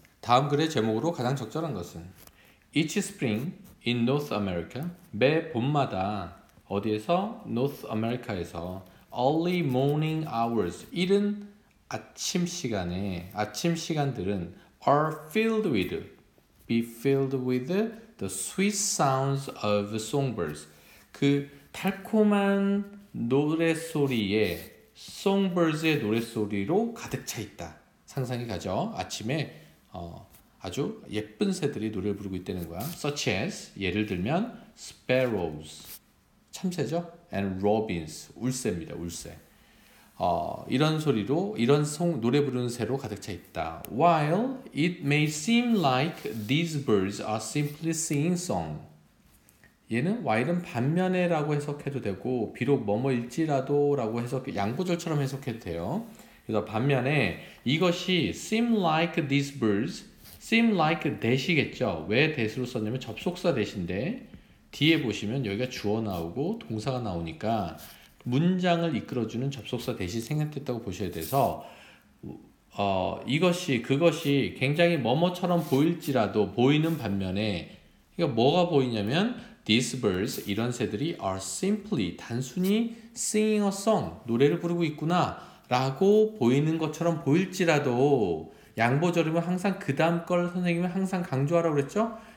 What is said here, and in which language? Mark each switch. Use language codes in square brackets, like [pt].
[ko] 다음 글의 제목으로 가장 적절한 것은 [en] Each spring in North America, [ko] 매 봄마다 어디에서? [en] North America에서 Early morning hours, [ko] 이른 아침 시간에, 아침 시간들은 [en] are filled with, be filled with the sweet sounds of songbirds. [ko] 그 달콤한 노래소리에, songbirds의 노래소리로 가득 차 있다. 상상이 가죠. 아침에 아주 예쁜 새들이 노래를 부르고 있다는 거야. [en] Such as, [ko] 예를 들면 sparrows, 참새죠. [en] And robins, [ko] 울새입니다. 울새. 이런 소리로, 이런 노래 부르는 새로 가득 차 있다. [en] While it may seem like these birds are simply singing song. [ko] 얘는 while은 반면에 라고 해석해도 되고 비록 뭐뭐일지라도 라고 해석, 양구절처럼 해석해도 돼요. 그래서 반면에 이것이 [en] seem like these birds, seem like that [ko] 이겠죠. 왜 that으로 썼냐면 접속사 that인데 뒤에 보시면 여기가 주어 나오고 동사가 나오니까 문장을 이끌어주는 접속사 that이 생략됐다고 보셔야 돼서 이것이, 그것이 굉장히 뭐뭐처럼 보일지라도 보이는 반면에 그러니까 뭐가 보이냐면 [en] these birds, [ko] 이런 새들이 [en] are simply, [ko] 단순히 [en] singing a song, [ko] 노래를 부르고 있구나 라고 보이는 것처럼 보일지라도 양보절이면 항상 그 다음 걸 선생님이 항상 강조하라고 그랬죠?